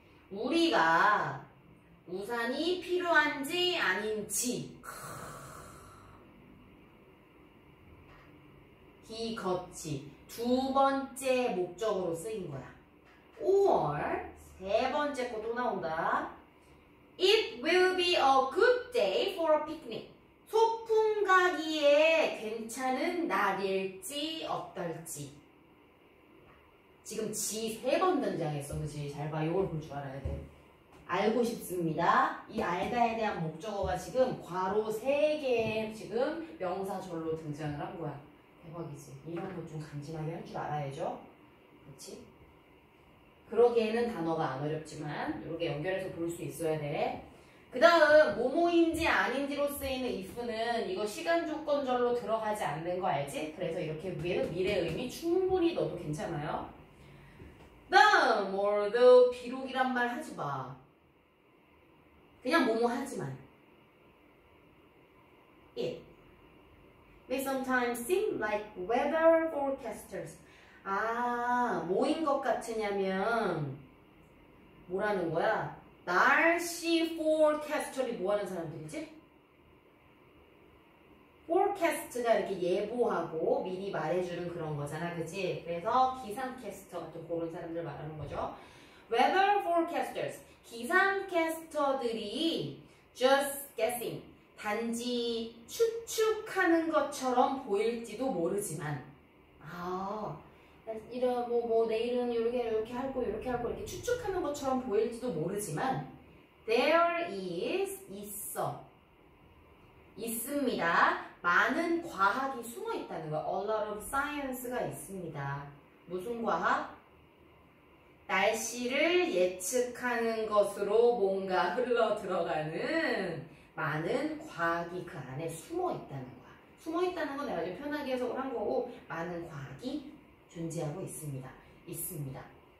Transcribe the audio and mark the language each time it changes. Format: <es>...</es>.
<ko>우리가 우산이 필요한지 아닌지. 기, 거치. 두 번째 목적으로 쓰인 거야. or. 세 번째 거또 나온다.</ko> <en>It will be a good day for a picnic.</en> <ko>소풍 가기에 괜찮은 날일지 어떨지. 지금 지세번 등장했어. 그치? 잘 봐. 이걸 볼줄 알아야 돼. 알고 싶습니다. 이 알다에 대한 목적어가 지금 괄호 세 개에 지금 명사절로 등장을 한 거야. 대박이지? 이런 거좀 간지나게 할줄 알아야죠. 그치? 그러기에는 단어가 안 어렵지만 이렇게 연결해서 볼수 있어야 돼. 그 다음 뭐뭐인지 아닌지로 쓰이는 if는 이거 시간 조건절로 들어가지 않는 거 알지? 그래서 이렇게 미래 의미 충분히 넣어도 괜찮아요. 다음 although 비록이란 말 하지 마. 그냥 뭐뭐 하지만.</ko> <en>It may sometimes seem like weather forecasters.</en> <ko>아, 뭐인 것 같으냐면, 뭐라는 거야? 날씨 포캐스터들이 뭐 하는 사람들이지? 포캐스트가 이렇게 예보하고 미리 말해주는 그런 거잖아, 그지? 그래서 기상캐스터 같은 그런 사람들 말하는 거죠. Weather forecasters, 기상캐스터들이 just guessing, 단지 추측하는 것처럼 보일지도 모르지만, 아. 이런 뭐뭐 뭐 내일은 이렇게 이렇게 할 거고 이렇게 할 거고 이렇게 추측하는 것처럼 보일지도 모르지만 there is 있어 있습니다. 많은 과학이 숨어 있다는 거.</ko> <en>A lot of science가 있습니다.</en> <ko>무슨 과학? 날씨를 예측하는 것으로 뭔가 흘러 들어가는 많은 과학이 그 안에 숨어 있다는 거야. 숨어 있다는 건 내가 좀 편하게 해석을 한 거고 많은 과학이 존재하고 있습니다. 있습니다.</ko>